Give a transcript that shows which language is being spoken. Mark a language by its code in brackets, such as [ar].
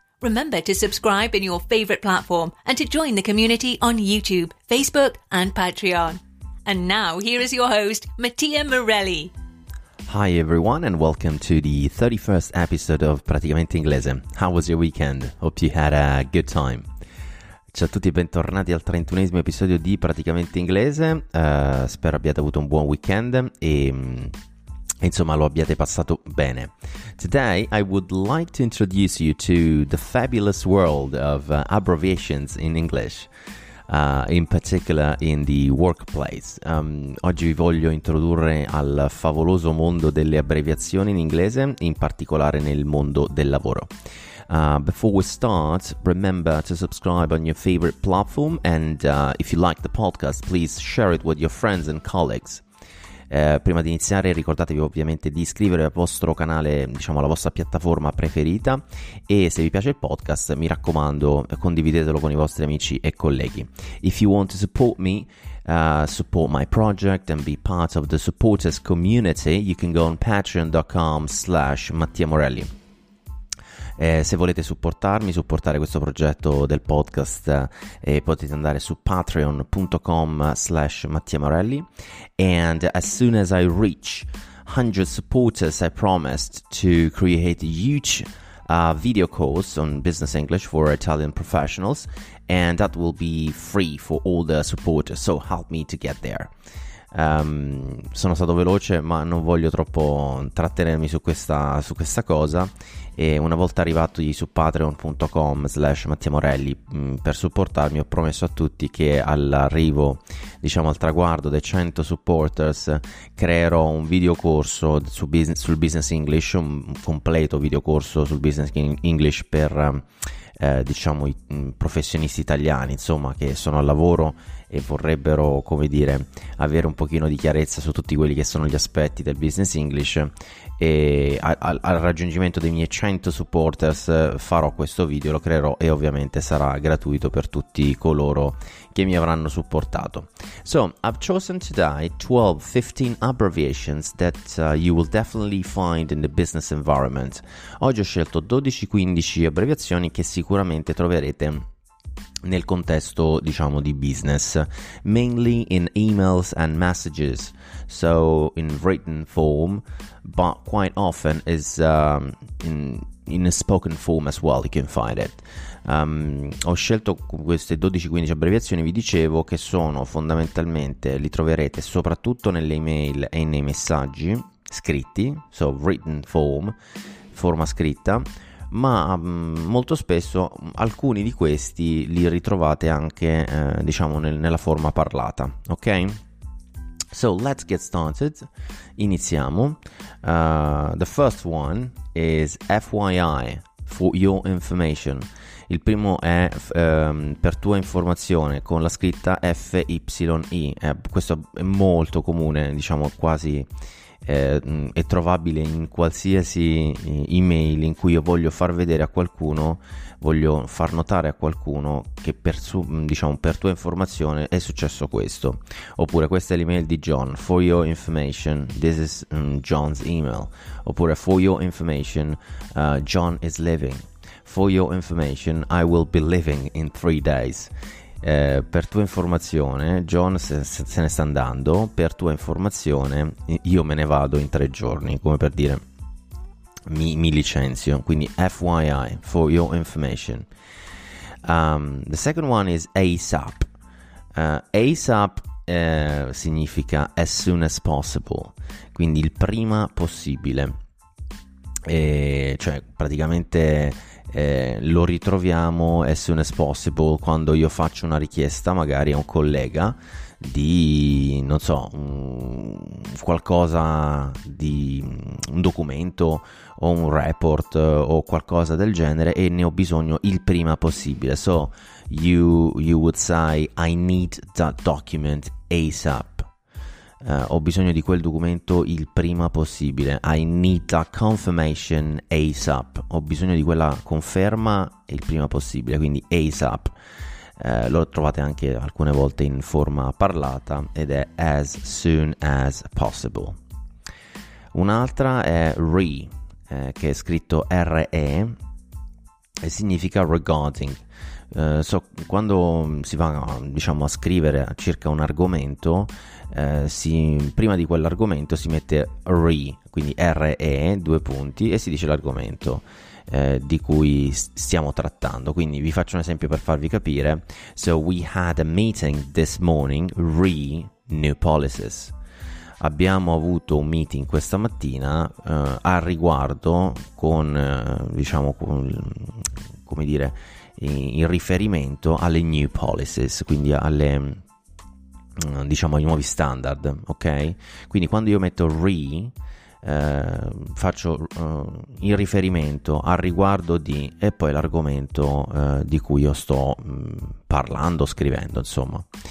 [en] Remember to subscribe in your favorite platform and to join the community on YouTube, Facebook and Patreon. And now here is your host, Mattia Morelli. Hi everyone and welcome to the 31st episode of Praticamente Inglese. How was your weekend? Hope you had a good time. [it] Ciao a tutti e bentornati al 31esimo episodio di Praticamente Inglese. Spero abbiate avuto un buon weekend e insomma lo abbiate passato bene. [en] Today I would like to introduce you to the fabulous world of abbreviations in English. In particular in the workplace. [it] Oggi vi voglio introdurre al favoloso mondo delle abbreviazioni in inglese, in particolare nel mondo del lavoro. [en] Before we start, remember to subscribe on your favorite platform and if you like the podcast, please share it with your friends and colleagues. [it] Prima di iniziare ricordatevi ovviamente di iscrivervi al vostro canale, diciamo alla vostra piattaforma preferita, e se vi piace il podcast mi raccomando condividetelo con i vostri amici e colleghi. [en] If you want to support me, support my project and be part of the supporters community, you can go on patreon.com/Mattia Morelli. [it] Se volete supportarmi, supportare questo progetto del podcast, potete andare su patreon.com/Mattia Morelli. [en] And as soon as I reach 100 supporters, I promised to create a huge video course on business English for Italian professionals, and that will be free for all the supporters, so help me to get there. [it] Sono stato veloce, ma non voglio troppo trattenermi su questa cosa. E una volta arrivato su patreon.com/Mattia Morelli per supportarmi, ho promesso a tutti che all'arrivo, diciamo al traguardo dei 100 supporters, creerò un videocorso sul business English, un completo videocorso sul business English per diciamo i professionisti italiani, insomma, che sono al lavoro e vorrebbero, come dire, avere un pochino di chiarezza su tutti quelli che sono gli aspetti del business English. E al raggiungimento dei miei 100 supporters farò questo video, lo creerò e ovviamente sarà gratuito per tutti coloro che mi avranno supportato. [en] So, I've chosen today 12-15 abbreviations that you will definitely find in the business environment. [it] Oggi ho scelto 12-15 abbreviazioni che sicuramente troverete nel contesto, diciamo, di business, [en] mainly in emails and messages, so in written form, but quite often is in a spoken form as well, you can find it. [it] Ho scelto queste 12-15 abbreviazioni, vi dicevo, che sono fondamentalmente, li troverete soprattutto nelle email e nei messaggi scritti, [en] so written form, [it] forma scritta, ma molto spesso alcuni di questi li ritrovate anche diciamo nella forma parlata, ok? [en] So let's get started, [it] iniziamo. [en] The first one is FYI, for your information. [it] Il primo è per tua informazione, con la scritta FYI. Questo è molto comune, diciamo quasi è trovabile in qualsiasi email in cui io voglio far vedere a qualcuno, voglio far notare a qualcuno che per tua informazione è successo questo, oppure questa è l'email di John, [en] for your information, this is John's email, [it] oppure [en] for your information, John is leaving, for your information, I will be leaving in 3 days. [it] Per tua informazione, John se ne sta andando. Per tua informazione, io me ne vado in 3 giorni. Come per dire, mi licenzio. [en] Quindi, FYI, for your information. The second one is ASAP. [it] ASAP significa [en] as soon as possible. [it] Quindi, il prima possibile. Cioè, praticamente lo ritroviamo [en] as soon as possible [it] quando io faccio una richiesta magari a un collega di, non so, qualcosa di un documento o un report o qualcosa del genere, e ne ho bisogno il prima possibile. [en] So you would say I need that document ASAP. [it] Ho bisogno di quel documento il prima possibile. [en] I need that confirmation ASAP. [it] Ho bisogno di quella conferma il prima possibile, quindi ASAP. Lo trovate anche alcune volte in forma parlata ed è [en] as soon as possible. [it] Un'altra è RE, che è scritto RE e significa regarding. So, quando si va, diciamo, a scrivere circa un argomento, prima di quell'argomento si mette RE, quindi RE, due punti, e si dice l'argomento di cui stiamo trattando. Quindi vi faccio un esempio per farvi capire. [en] So we had a meeting this morning re new policies. [it] Abbiamo avuto un meeting questa mattina a riguardo con diciamo con, come dire, in riferimento alle new policies, quindi alle, diciamo, ai nuovi standard. Ok, quindi quando io metto re, faccio in riferimento al riguardo di, e poi l'argomento di cui io sto parlando, scrivendo, insomma.